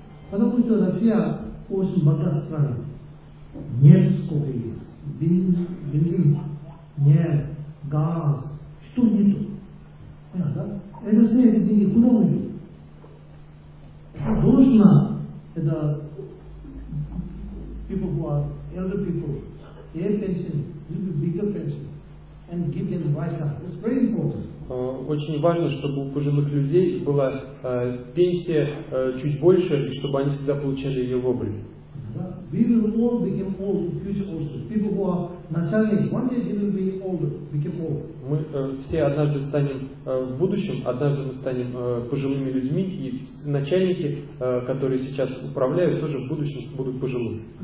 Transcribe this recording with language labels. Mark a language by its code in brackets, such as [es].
[ru] Потому что Россия очень богатая страна. Нефть сколько есть. Бензин. Нефть. Газ. Что нету? Это все эти деньги куда уйдут? Должна это [en] people who are elder people, their pension, give them bigger pension, and give them right now. It's very important. [ru] Очень важно, чтобы у пожилых людей была пенсия чуть больше, и чтобы они всегда получали ее вовремя. [en] We will all become old in future also. People who are начальник, one day they will be older, become old. [ru] Мы все однажды станем в будущем, однажды мы станем пожилыми людьми, и начальники, которые сейчас управляют, тоже в будущем будут пожилыми.